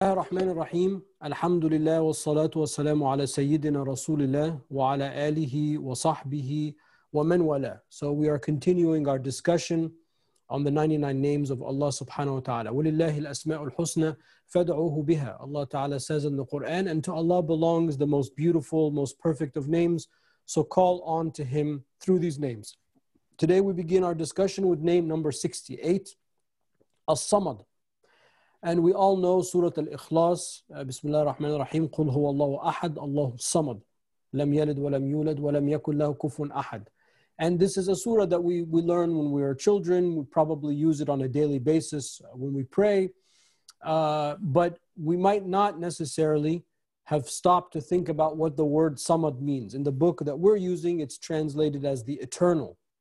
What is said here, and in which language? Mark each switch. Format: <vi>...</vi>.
<ar>الله الرحمن الرحيم الحمد لله والصلاة والسلام على سيدنا رسول الله وعلى آله وصحبه ومن والاه.</ar> <en>So we are continuing our discussion on the 99 names of Allah subhanahu wa ta'ala.</en> <ar>ولله الأسماء الحسنى فادعوه بها.</ar> <en>Allah ta'ala says in the Quran, and to Allah belongs the most beautiful, most perfect of names. So call on to Him through these names. Today we begin our discussion with name number 68, As-Samad. And we all know Surah Al-Ikhlas,</en> <ar>Bismillah ar-Rahman ar-Rahim, قُلْ هُوَ اللَّهُ أَحَدْ اللَّهُ الصَّمَدْ لَمْ يَلِدْ وَلَمْ يُولَدْ وَلَمْ يَكُنْ لَهُ كُفُوًا أَحَدْ.</ar> <en>And this is a surah that we learn when we are children. We probably use it on a daily basis when we pray. But we might not necessarily have stopped to think about what the word Samad means. In the book that we're using, it's translated as the eternal.</en>